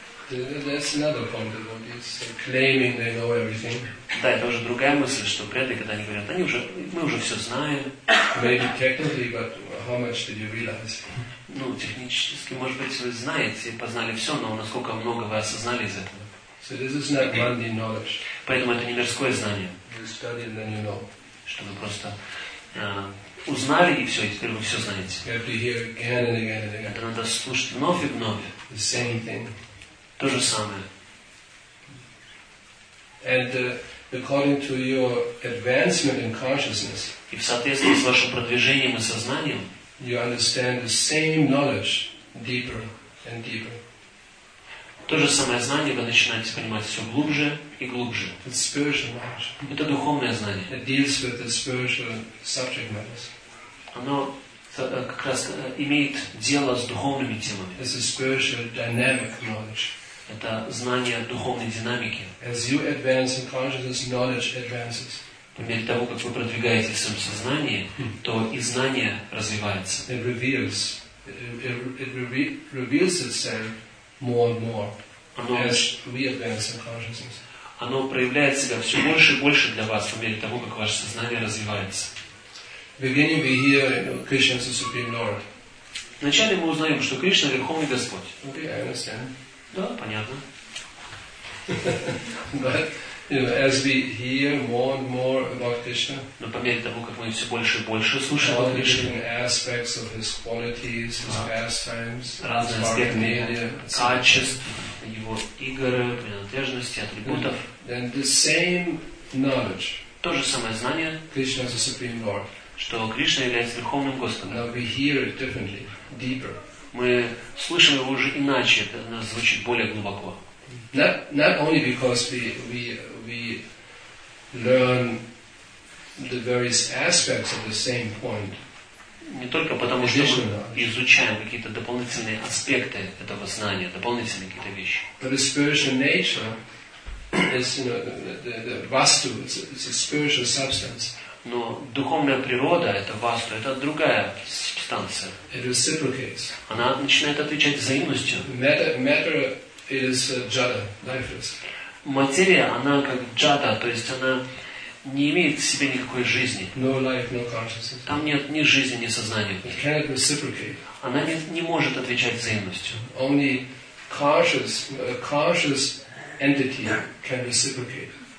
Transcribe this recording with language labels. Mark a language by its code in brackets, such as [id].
[en] That's another point of devotees claiming they know everything. [ru] Да, это уже другая мысль, что преданные, когда они говорят, они уже, мы уже все знаем. [en] Maybe technically, but how much did you realize? [ru] Ну, технически, может быть, вы знаете и познали все, но насколько много вы осознали из этого? [en] So this is not mundane knowledge. [ru] Поэтому это не мирское знание. [en] You study and then you know. [ru] Что вы просто узнали и все, и теперь вы все знаете. [en] You have to hear again and again and again. [ru] Это надо слушать вновь и вновь. [en] The same thing. [ru] То же самое. [en] And according to your advancement in consciousness, [ru] и в соответствии с вашим продвижением и сознанием, [en] you understand the same knowledge deeper and deeper. [ru] То же самое знание вы начинаете понимать все глубже и глубже. [en] It's spiritual knowledge. [ru] Это духовное знание. [en] It deals with the spiritual subject matters. [ru] Оно как раз имеет дело с духовными темами. [en] It's a spiritual dynamic knowledge. [ru] Это знание духовной динамики. [en] As you advance in consciousness, knowledge advances. [ru] По мере того, как вы продвигаетесь в своем сознании, то и знание развивается. [en] It reveals. It reveals itself more and more. [ru] Оно, [en] as we advance in consciousness. [ru] Оно проявляет себя все больше и больше для вас по мере того, как ваше сознание развивается. [en] Beginning we hear Krishna is the Supreme Lord. [ru] Вначале мы узнаем, что Кришна Верховный Господь. [en] Okay, I understand. [ru] Да, понятно. [en] But As we hear more and more about Krishna, [ru] но по мере того, как мы все больше и больше слушаем о Кришне, [en] different aspects of his qualities, his pastimes, [ru] разные аспекты качеств, его игры, принадлежности, атрибутов, [en] then the same knowledge, [ru] то же самое знание, [en] Krishna is the Supreme Lord, [ru] что Кришна является Верховным Господом. [en] Now we hear it differently, deeper. [ru] Мы слышим его уже иначе, это у нас звучит более глубоко. [en] Not only because we learn the various aspects of the same point. [ru] Не только потому, что мы изучаем какие-то дополнительные аспекты этого знания, дополнительные какие-то вещи. [en] But the spiritual nature is, you know, the vastu, it's a spiritual substance. [ru] Но духовная природа, это васту, это другая субстанция. [en] It reciprocates. [ru] Она начинает отвечать взаимностью. [en] Matter is jada, lifeless. [ru] Материя, она как джада, то есть она не имеет в себе никакой жизни. [en] No life, no consciousness. [ru] Там нет ни жизни, ни сознания. [en] It cannot reciprocate. [ru] Она не может отвечать взаимностью. [en] Only conscious entity can reciprocate.